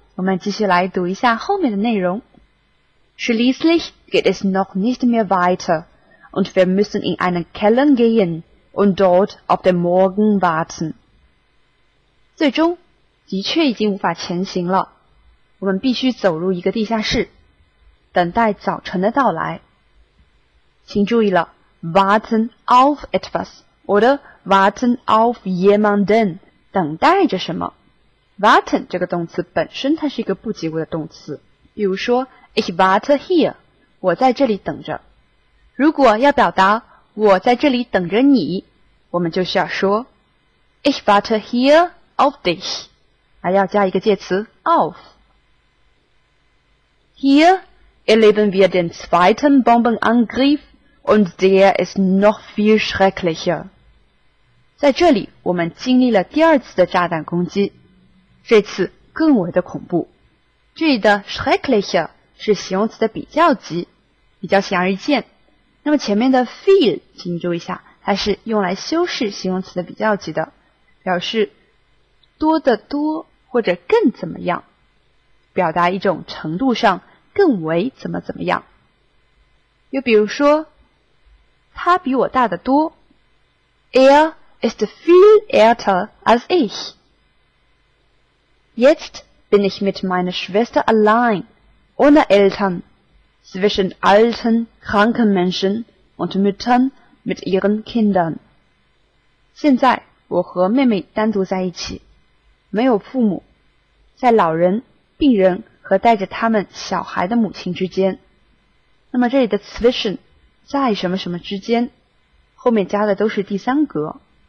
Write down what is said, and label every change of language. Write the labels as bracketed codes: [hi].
[zh] 我们继续来读一下后面的内容。 [de] Schließlich geht es noch nicht mehr weiter und wir müssen in einen Keller gehen und dort auf den Morgen warten. [zh] 最终的确已经无法前行了。我们必须走入一个地下室，等待早晨的到来。请注意了 [de] ,warten auf etwas oder warten auf jemanden, [zh] 等待着什么。 Warten 这个动词本身它是一个不及物的动词，比如说 [de] Ich warte hier， [zh] 我在这里等着。如果要表达我在这里等着你，我们就需要说 [de] Ich warte hier auf dich， [zh] 还要加一个介词 auf。 [de] Hier erleben wir den zweiten Bombenangriff und der ist noch viel schrecklicher。 [zh] 在这里我们经历了第二次的炸弹攻击，这次更为的恐怖。这里的 schrecklicher 是形容词的比较级，比较显而易见。那么前面的 viel 请你注意一下，它是用来修饰形容词的比较级的，表示多得多或者更怎么样，表达一种程度上更为怎么怎么样。又比如说他比我大得多， [de] Er ist viel älter als ich. Jetzt bin ich mit meiner Schwester allein, ohne Eltern, zwischen alten, kranken Menschen und Müttern mit ihren Kindern. [zh] 现在我和妹妹单独在一起，没有父母，在老人、病人和带着他们小孩的母亲之间。那么这里的 zwischen 在什么什么之间，后面加的都是第三格。